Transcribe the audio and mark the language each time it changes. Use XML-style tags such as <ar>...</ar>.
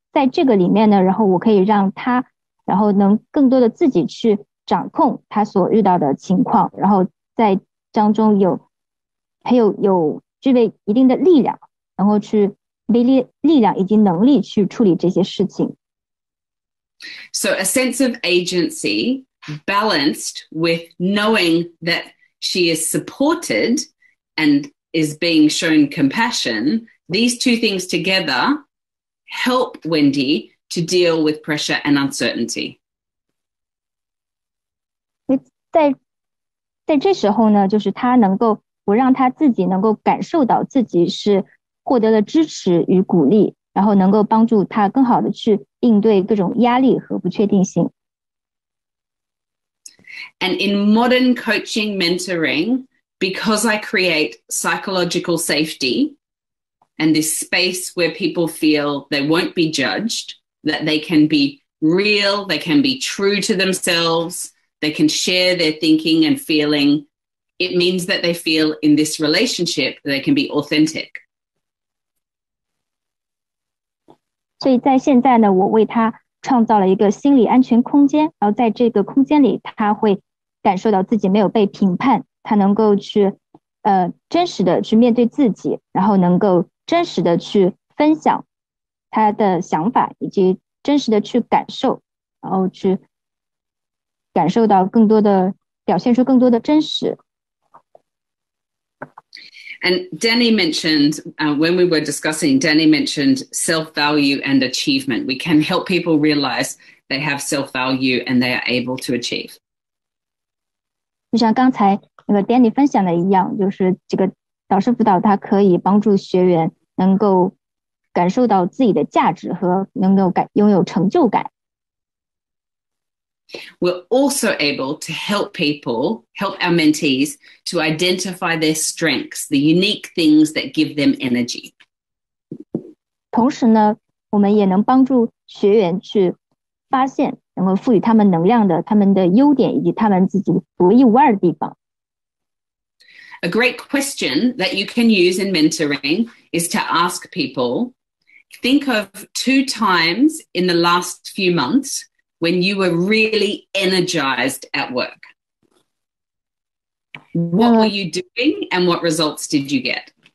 <zh>在这个里面呢，然后我可以让他，然后能更多的自己去掌控他所遇到的情况，然后在当中还有具备一定的力量，然后去力量以及能力去处理这些事情。</zh> <en>So a sense of agency balanced with knowing that she is supported and is being shown compassion, these two things together. Help Wendy to deal with pressure and uncertainty.</en> <zh>在这时候呢，就是他能够，我让他自己能够感受到自己是获得了支持与鼓励，然后能够帮助他更好的去应对各种压力和不确定性。</zh> <en>And in modern coaching mentoring, because I create psychological safety and this space where people feel they won't be judged, that they can be real, they can be true to themselves, they can share their thinking and feeling, it means that they feel in this relationship they can be authentic.</en> <zh>所以在现在呢，我为他创造了一个心理安全空间，然后在这个空间里他会感受到自己没有被评判，他能够去真实的去面对自己，然后能够真实的去分享他的想法，以及真实的去感受，然后去感受到更多的，表现出更多的真实。</zh> <en>And Danny mentioned, when we were discussing, Danny mentioned self-value and achievement. We can help people realize they have self-value and they are able to achieve.</en> <zh>就像刚才那个 Danny 分享的一样，就是这个导师辅导它可以帮助学员能够感受到自己的价值和能够拥有成就感。</zh> <en>We're also able to help people, help our mentees to identify their strengths, the unique things that give them energy.</en> <zh>同时呢，我们也能帮助学员去发现，能够赋予他们能量的他们的优点以及他们自己独一无二的地方。</zh> <en>A great question that you can use in mentoring is to ask people, think of two times in the last few months when you were really energized at work. What were you doing and what results did you get?</en>